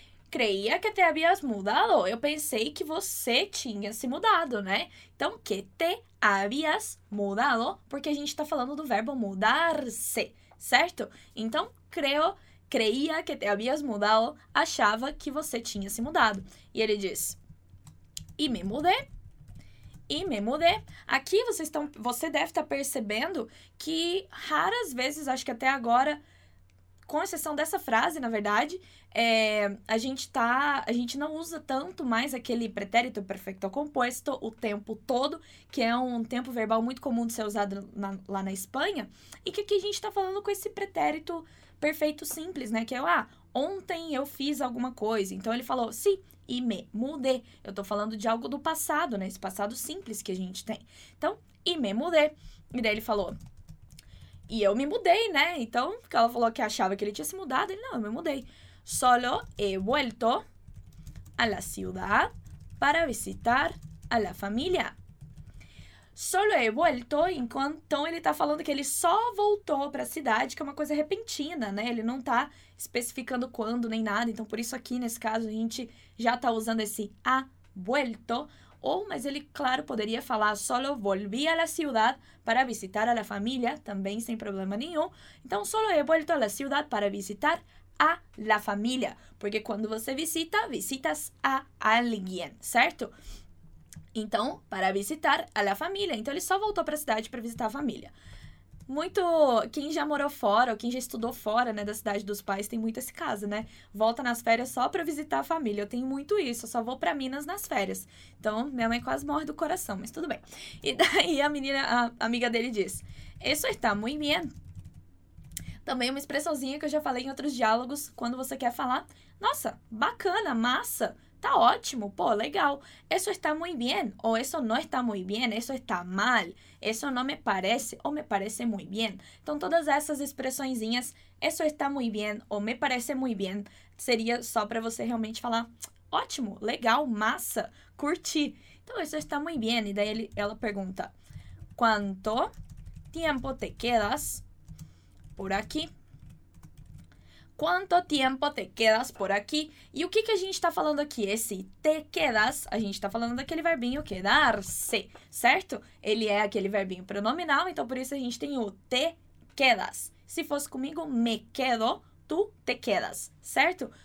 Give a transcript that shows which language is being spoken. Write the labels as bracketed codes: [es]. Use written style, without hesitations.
[es] Creía que te habías mudado. [pt] Eu pensei que você tinha se mudado, né? Então, [es] que te habías mudado, [pt] porque a gente está falando do verbo mudar-se, certo? Então, [es] creía que te habías mudado, [pt] achava que você tinha se mudado. E ele diz, e [es] me mudé. [pt] Aqui você deve estar percebendo que raras vezes, acho que até agora, com exceção dessa frase, na verdade, a gente não usa tanto mais aquele pretérito perfeito composto o tempo todo, que é um tempo verbal muito comum de ser usado lá na Espanha, e que aqui a gente está falando com esse pretérito perfeito simples, né? Que é, ontem eu fiz alguma coisa. Então, ele falou, sim, e [es] me mudé. [pt] Eu tô falando de algo do passado, né? Esse passado simples que a gente tem. Então, e [es] me mudé. [pt] E daí ele falou, e eu me mudei, né? Então, porque ela falou que achava que ele tinha se mudado. Ele, não, eu me mudei. [es] Solo he vuelto a la ciudad para visitar a la familia. Solo he vuelto, [pt] então ele tá falando que ele só voltou para a cidade, que é uma coisa repentina, né? Ele não tá especificando quando nem nada, então por isso aqui nesse caso a gente já tá usando esse [es] ha vuelto, [pt] mas ele, claro, poderia falar [es] solo volví a la ciudad para visitar a la familia, [pt] também sem problema nenhum. Então, [es] solo he vuelto a la ciudad para visitar a la familia, [pt] porque quando você visita, [es] visitas a alguien, [pt] certo? Então, [es] para visitar a la família. [pt] Então, ele só voltou para a cidade para visitar a família. Muito, quem já morou fora, ou quem já estudou fora, né, da cidade dos pais, tem muito esse caso, né? Volta nas férias só para visitar a família. Eu tenho muito isso, eu só vou para Minas nas férias. Então, minha mãe quase morre do coração, mas tudo bem. E daí, a amiga dele diz, [es] eso está muy bien. [pt] Também uma expressãozinha que eu já falei em outros diálogos, quando você quer falar, nossa, bacana, massa. Tá ótimo, pô, legal. [es] Eso está muy bien. [pt] Ou [es] eso no está muy bien. Eso está mal. Eso no me parece. [pt] Ou [es] me parece muy bien. [pt] Então, todas essas expressõezinhas, [es] eso está muy bien. Ou me parece muy bien. [pt] Seria só para você realmente falar, ótimo, legal, massa, curti. [es] Então, eso está muy bien. [pt] E daí ela pergunta, [es] ¿cuánto tiempo te quedas por aquí? [pt] Quanto tempo [es] te quedas [pt] por aqui? E o que a gente está falando aqui? Esse [es] te quedas, [pt] a gente está falando daquele verbinho quedar-se, certo? Ele é aquele verbinho pronominal, então por isso a gente tem o [es] te quedas. [pt] Se fosse comigo, [es] me quedo, tu te quedas, [pt] certo?